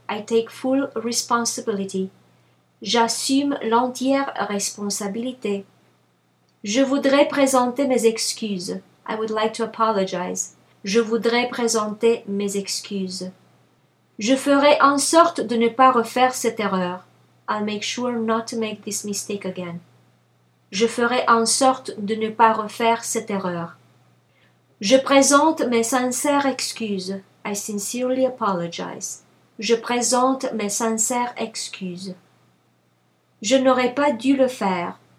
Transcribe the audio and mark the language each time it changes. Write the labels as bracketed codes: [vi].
[en] I take full responsibility. [fr] J'assume l'entière responsabilité. Je voudrais présenter mes excuses. [en] I would like to apologize. [fr] Je voudrais présenter mes excuses. Je ferai en sorte de ne pas refaire cette erreur. [en] I'll make sure not to make this mistake again. [fr] Je ferai en sorte de ne pas refaire cette erreur. Je présente mes sincères excuses. [en] I sincerely apologize. [fr] Je présente mes sincères excuses. Je n'aurais pas dû le faire.